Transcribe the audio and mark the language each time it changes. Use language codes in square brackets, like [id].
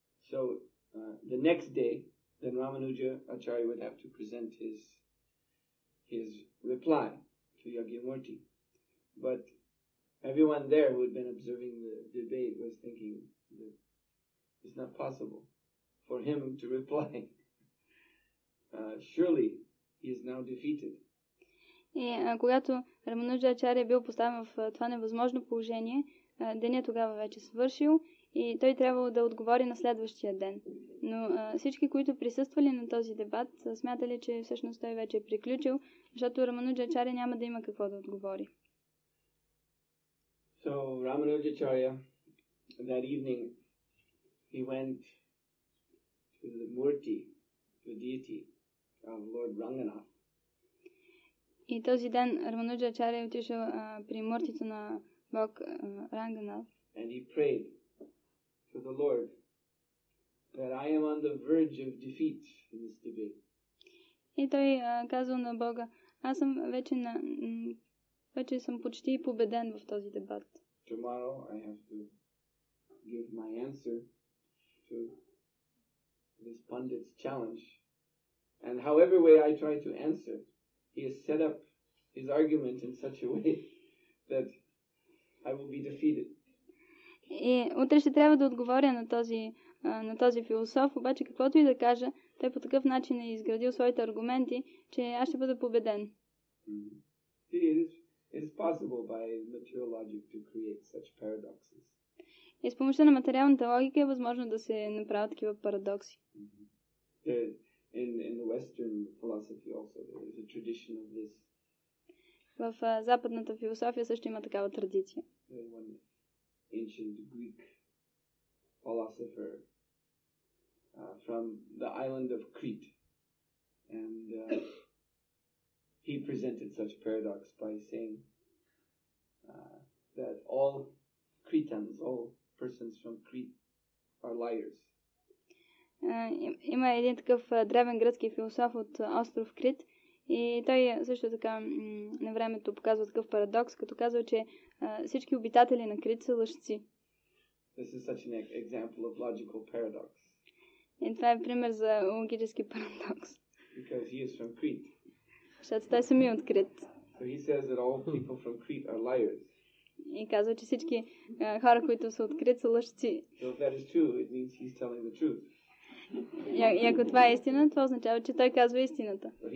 [en] So the next day, then Рамануджа Ачарья would have to present his reply to Ягьямурти. But everyone there who had been observing the debate was thinking that it's not possible for him to reply. Surely he is now defeated. [bg] И когато Рамануджа Ачарья бил поставен в това невъзможно положение, денят тогава вече свършил и той трябвало да отговори на следващия ден. Но всички, които присъствали на този дебат, смятали, че всъщност той вече е приключил, защото Рамануджа Ачарья няма да има какво да отговори. [en] So, Рамануджа Ачарья, that evening, he went to the Murti, the deity of Lord Ranganath. [bg] И този ден Рамануджа Ачарья е отишъл при мъртвицата на Бог Ранганат. [en] And he prayed to the Lord that I am on the verge of defeat in this debate. [bg] И той казал на Бога: аз съм вече вече съм почти победен в този дебат. [en] Tomorrow I have to give my answer to this pundit's challenge. And however way I try to answer, he has set up his argument in such a way that I will be defeated. [bg] И утре ще трябва да отговоря на този философ, обаче каквото и да кажа, той по такъв начин е изградил своите аргументи, че аз ще бъда победен. [en] Mm-hmm. It is possible by material logic to create such paradoxes. [bg] И с помощта на материалната логика е възможно да се направят такива парадокси. Mm-hmm. [en] In the Western philosophy also, there is a tradition of this. [bg] В западната философия също има такава традиция. [en] One ancient Greek philosopher from the island of Crete, and he presented such paradox by saying that all Cretans, all persons from Crete, are liars. [bg] Има един такъв древен гръцки философ от остров Крит и той също така на времето показва такъв парадокс, като казва, че всички обитатели на Крит са лъжци. [en] This is such an example of logical paradox. [bg] И това е пример за логически парадокс. [en] Because he is from Crete. [bg] Защото той самия от Крит. [en] So he says that all people from Crete are liars. [bg] И казва, че всички хора, които са от Крит, са лъжци. [en] So if that is true, it means he's telling the truth. [bg] И ако това е истина, това означава, че той казва истината.